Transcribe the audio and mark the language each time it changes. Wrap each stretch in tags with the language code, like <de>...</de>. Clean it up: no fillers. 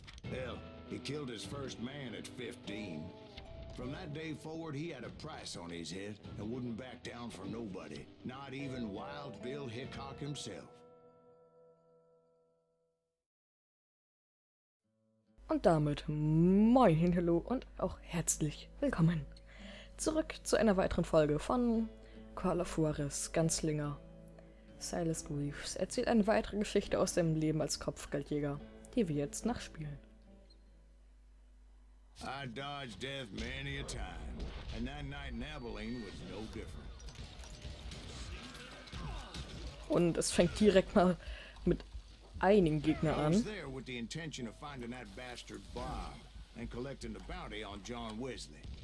<en>Hell, he killed his first man at 15. From that day forward, he had a price on his head and wouldn't back down for nobody, not even Wild Bill Hickok himself.</en> <de>Und damit moin, hallo und auch herzlich willkommen zurück zu einer weiteren Folge von Carla Fuarez, Ganzlinger. Silas Greaves erzählt eine weitere Geschichte aus seinem Leben als Kopfgeldjäger, die wir jetzt nachspielen.</de> <en>I dodged death many a time, and that night in Abilene was no different.</en> <de>Und es fängt direkt mal mit einigen Gegnern an.</de> <en>I was there with the intention of finding that bastard Bob and collecting the bounty on John Wesley.</en>